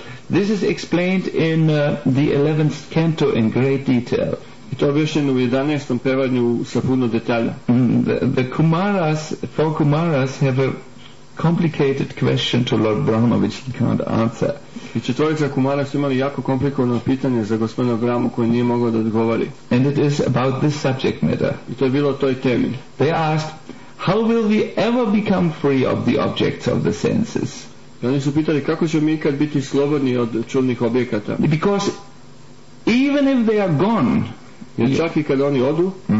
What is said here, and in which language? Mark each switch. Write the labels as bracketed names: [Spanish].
[English] This is explained in the 11th canto in great detail. [Serbian] I to objašnjeno u 11. pevanju sa puno detalja. [English] The Kumaras, four Kumaras have a complicated question to Lord Brahma which he can't answer. [Serbian] I četvorica Kumara su imali jako komplikovano pitanje za gospodina Brahmu koje nije mogao da odgovori. [English] And it is about this subject matter. [Serbian] I to je bilo o toj temi. [English] They asked, how will we ever become free of the objects of the senses? [Serbian] I oni su pitali kako ćemo mi ikad biti slobodni od čudnih objekata. [English] Because even if they are gone, [Serbian] jer čak i kad oni odu,